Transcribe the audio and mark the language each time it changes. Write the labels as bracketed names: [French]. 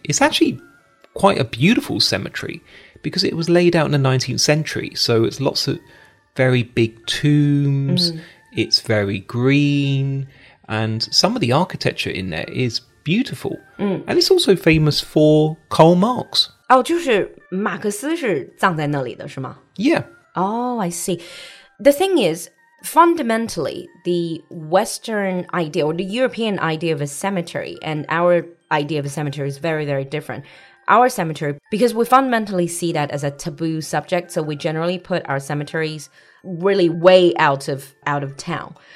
[English] It's actually quite a beautiful cemetery. Because it was laid out in the 19th century, so it's lots of very big tombs, it's very green, and some of the architecture in there is beautiful. And it's also famous for Karl Marx. [Chinese] Oh, 就是马克思是葬在那里的是吗? [English] Yeah. Oh, I see. The thing is, fundamentally, the Western idea, or the European idea of a cemetery, and our idea of a cemetery is very, very different. Our cemetery, because we fundamentally see that as a taboo subject, so we generally put our cemeteries really way out of town.